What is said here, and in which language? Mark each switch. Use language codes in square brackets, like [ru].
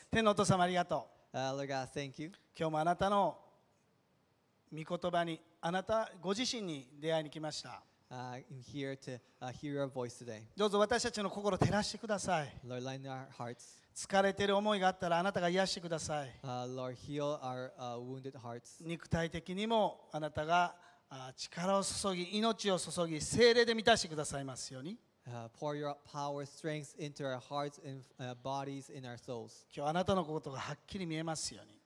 [ja] 天のお父様ありがとう。 [en] Lord God, thank you. [ja] 今日もあなたの御言葉に、あなたご自身に出会いに来ました。 [en] I'm here to hear your voice today. [ja] どうぞ私たちの心を照らしてください。 [en] Lord, light our hearts. [ja] 疲れている思いがあったらあなたが癒してください。 [en] Lord, heal our wounded hearts. [ja] 肉体的にもあなたが力を注ぎ、命を注ぎ、精霊で満たしてくださいますように。 [en] Pour your power, strength into our hearts and bodies in our souls. [ja] 今日あなたのことがはっきり見えますように。